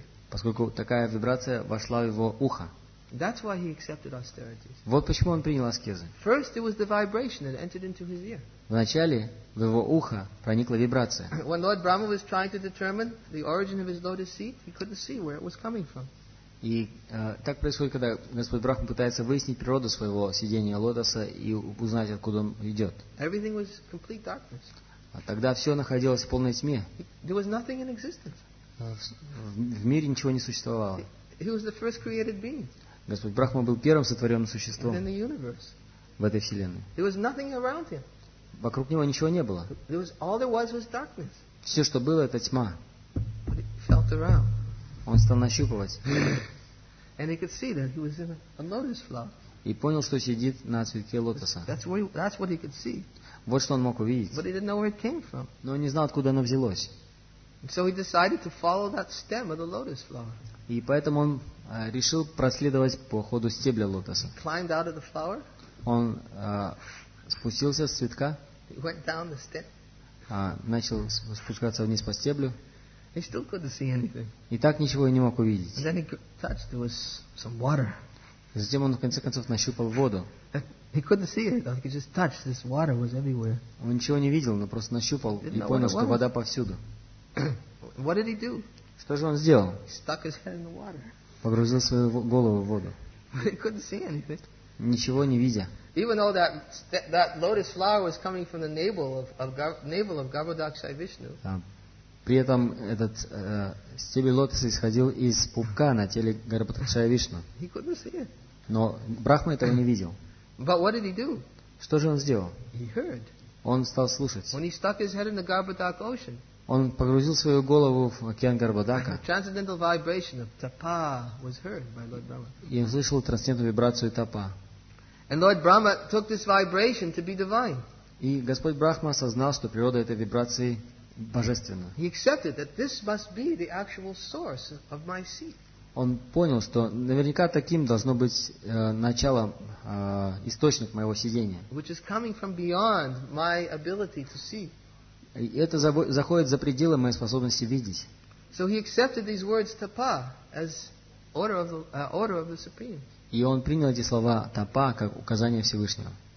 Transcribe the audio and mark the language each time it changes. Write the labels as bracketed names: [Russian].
[Russian] Поскольку такая вибрация вошла в его ухо. [English] That's why he accepted austerities. [Russian] Вот почему он принял аскезы. [English] First, it was the vibration that entered into his ear. [Russian] Вначале в его ухо проникла вибрация. [English] When Lord Brahma was trying to determine the origin of his lotus seat, he couldn't see where it was coming from. [Russian] И так происходит, когда Господь Брахма пытается выяснить природу своего сидения лотоса и узнать, откуда он идет. [English] Everything was complete darkness. [Russian] А тогда все находилось в полной тьме. [English] There was nothing in existence. [Russian] В мире ничего не существовало. [English] He was the first created being. [Russian] Господь Брахма был первым сотворенным существом [English] in the universe. [Russian] В этой вселенной. [English] There was nothing around him. [Russian] Вокруг него ничего не было. [English] There was, all there was darkness. [Russian] Все, что было, это тьма. [English] But he felt around. [Russian] Он стал нащупывать. [English] And he could see that he was in a lotus flower. [Russian] И понял, что сидит на цветке лотоса. [English] That's what he could see. [Russian] Вот что он мог увидеть. [English] But he didn't know where it came from. [Russian] Но он не знал, откуда оно взялось. [English] And so he decided to follow that stem of the lotus flower. [Russian] И поэтому он решил проследовать по ходу стебля лотоса. [English] Climbed out of the flower. [Russian] Он спустился с цветка. [English] He went down the stem. [Russian] Начал спускаться вниз по стеблю. [English] He still couldn't see anything. [Russian] И так ничего и не мог увидеть. [English] And then he touched, there was some water. [Russian] Затем он в конце концов нащупал воду. [English] He couldn't see it. Like he just touched, this water was everywhere. [Russian] Он ничего не видел, но просто нащупал и понял, что вода повсюду. [English] What did he do? [Russian] Что же он сделал? [English] He stuck his head in the water. [Russian] Погрузил свою голову в воду. [English] He couldn't see anything. [Russian] Ничего не видя. [English] Even though that lotus flower was coming from the navel of Garbhodakshaya Vishnu. [Russian] При этом этот стебель лотоса исходил из пупка на теле Гарбхадакшая Вишну. [English] He couldn't see it. [Russian] Но Брахма этого не видел. [English] But what did he do? [Russian] Что же он сделал? [English] He heard. [Russian] Он стал слушать. [English] When he stuck his head in the Garbhodak ocean. [Russian] Он погрузил свою голову в океан Гарбхадака. [English] Transcendental vibration of tapa was heard by Lord Brahma. [Russian] И он слышал трансцендентную вибрацию тапа. [English] And Lord Brahma took this vibration to be divine. [Russian] И Господь Брахма осознал, что природа этой вибрации божественна. [English] He accepted that this must be the actual source of my seat. [Russian] Он понял, что наверняка таким должно быть начало, источник моего сидения. [English] Which is coming from beyond my ability to see. [Russian] И это заходит за пределы моей способности видеть. И он принял эти слова тапа как указание Всевышнего.